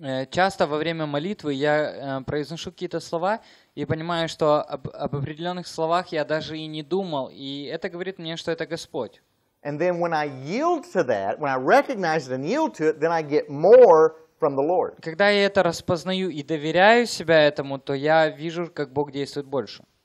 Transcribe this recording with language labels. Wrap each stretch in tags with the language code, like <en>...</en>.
<ru>Часто во время молитвы я произношу какие-то слова и понимаю, что об определенных словах я даже и не думал, и это говорит мне, что это Господь.</ru> <en>And then when I yield to that, when I recognize it and yield to it, then I get more from the Lord.</en> <ru>Когда я это распознаю и доверяю себя этому, то я вижу, как Бог действует больше.</ru>